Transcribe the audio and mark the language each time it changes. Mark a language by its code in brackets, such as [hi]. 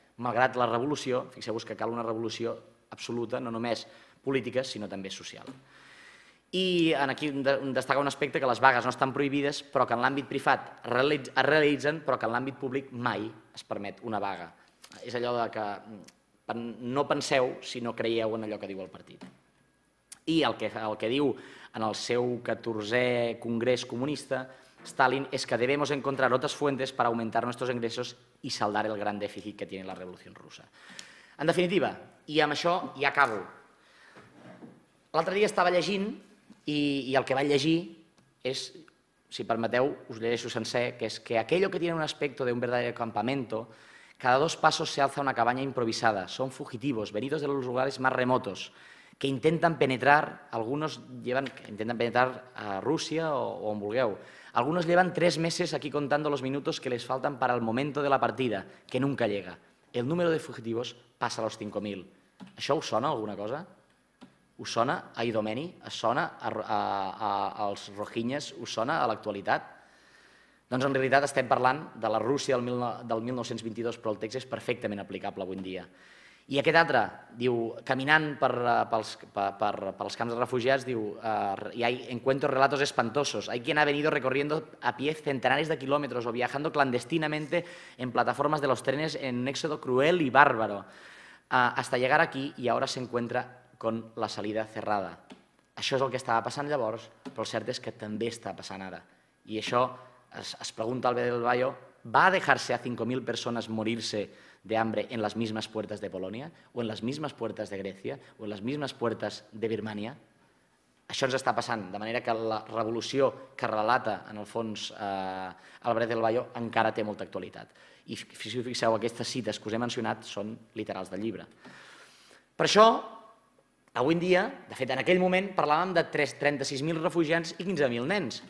[ca] Malgrat la revolució, fixeu-vos que cal una revolució absoluta, no només política, sinó també social. I aquí destaca un aspecte, que les vagues no estan prohibides, però que en l'àmbit privat es realitzen, però que en l'àmbit públic mai es permet una vaga. És allò de que no penseu si no creieu en allò que diu el partit. I el que diu en el seu 14è Congrés Comunista, Stalin, és que [es] debemos encontrar otras fuentes para aumentar nuestros ingresos y saldar el gran déficit que tiene la Revolución Rusa. [ca] En definitiva, i amb això ja acabo. L'altre dia estava llegint i el que vaig llegir és, si permeteu, us llegeixo sencer, que és que [es] aquello que tiene un aspecto de un verdadero campamento, cada dos pasos se alza una cabaña improvisada, son fugitivos venidos de los lugares más remotos, que intentan penetrar, algunos llevan, que intentan penetrar a Rusia [ca] o on vulgueu. [es] Algunos llevan tres meses aquí contando los minutos que les faltan para el momento de la partida, que nunca llega. El número de fugitivos pasa a los 5.000. [ca] Això us sona alguna cosa? Us sona a Idomeni? Us sona als Rohingyes? Us sona a l'actualitat? Doncs en realitat estem parlant de la Rússia del 1922, però el text és perfectament aplicable avui en dia. I aquest altre, diu, caminant pels camps de refugiats, diu, hi ha [es] encuentros relatos espantosos. Hay quien ha venido recorriendo a pie centenares de kilómetros o viajando clandestinamente en plataformas de los trenes en un éxodo cruel y bárbaro hasta llegar aquí y ahora se encuentra con la salida cerrada. [ca] Això és el que estava passant llavors, però el cert és que també està passant ara. I això, es pregunta [es] Álvarez de Bello, ¿va a dejarse a 5.000 persones morir-se de hambre en las mismas puertas de Polonia o en las mismas puertas de Grecia o en las mismas puertas de Birmania? [ca] Això ens està passant, de manera que la revolució que relata en el fons Álvarez de Bello encara té molta actualitat. I si us fixeu, aquestes cites que us he mencionat són literals del llibre. Per això, avui en dia, de fet en aquell moment parlàvem de 36.000 refugiats i 15.000 nens.